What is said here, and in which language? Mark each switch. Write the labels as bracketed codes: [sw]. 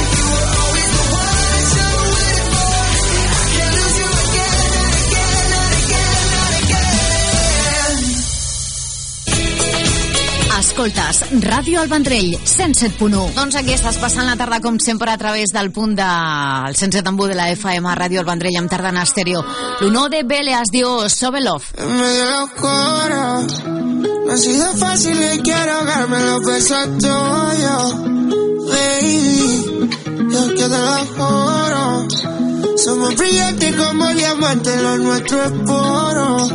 [en] You were always the one I was waiting for. I can't lose you again, not again, not again, not again. [ca] Escoltes Ràdio El Vendrell 107.1. Doncs aquí estàs passant la tarda com sempre a través del punt del 107.1 de la FM, Ràdio El Vendrell, amb tarda en estèreo. L'honor de Bele es diu Sobe Love. [es] En medio de los coros no ha sido fácil y quiero ahogarme en los besos tuyos. Baby, yo que te lo juro, somos brillantes como diamantes, lo nuestro es puro.